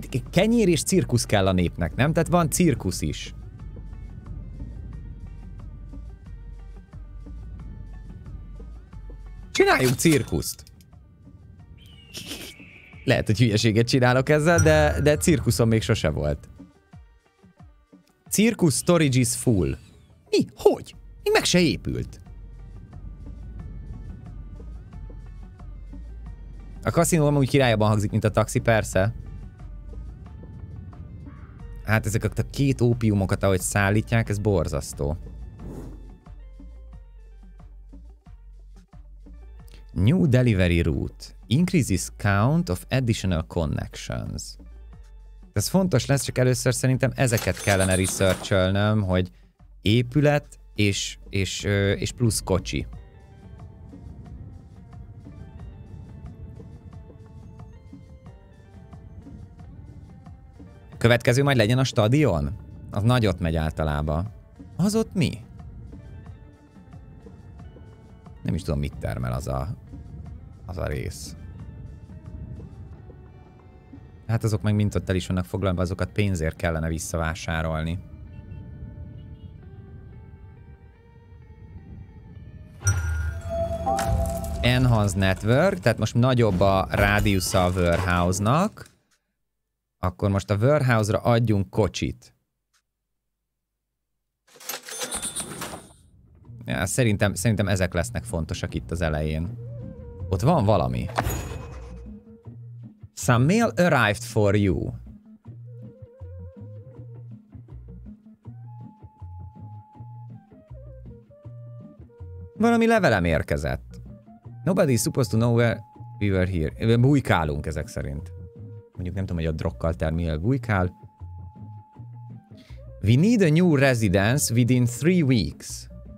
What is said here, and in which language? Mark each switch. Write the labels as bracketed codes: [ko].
[hu] Kenyér és cirkusz kell a népnek, nem? Tehát van cirkusz is. Csináljunk cirkuszt! Lehet, hogy hülyeséget csinálok ezzel, de cirkuszom még sose volt. [en] Cirkusz storage is full. [hu] Mi? Hogy? Mi meg se épült? A kaszinó amúgy királyabban hangzik, mint a taxi, persze. Hát ezek a két ópiumokat, ahogy szállítják, ez borzasztó. [en] New delivery route. Increases count of additional connections. [hu] Ez fontos lesz, csak először szerintem ezeket kellene researcholnom, hogy épület és plusz kocsi. Következő majd legyen a stadion? Az nagyot megy általában. Az ott mi? Nem is tudom, mit termel az a rész. Hát azok meg mint ott el is vannak foglalva, azokat pénzért kellene visszavásárolni. Enhanced Network, tehát most nagyobb a rádiusza a warehouse-nak. Akkor most a warehouse-ra adjunk kocsit. Ja, szerintem ezek lesznek fontosak itt az elején. Ott van valami. [en] Some mail arrived for you. [hu] Valami levelem érkezett. [en] Nobody is supposed to know where we were here. [hu] Bújkálunk ezek szerint. Mondjuk nem tudom, hogy a drokkal termél bújkál. [en] We need a new residence within 3 weeks.